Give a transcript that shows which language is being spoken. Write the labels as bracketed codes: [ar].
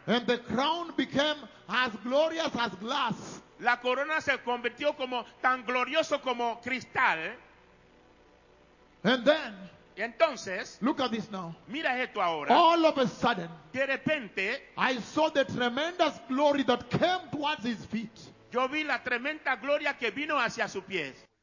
[en] And the crown became as glorious as glass. [es] La corona se convirtió como tan glorioso como cristal. [en] And then, [es] entonces, [en] look at this now. [es] Mira esto ahora. [en] All of a sudden, [es] de repente, [en] I saw the tremendous glory that came towards his feet. [es] Yo vi la tremenda gloria que vino hacia sus pies.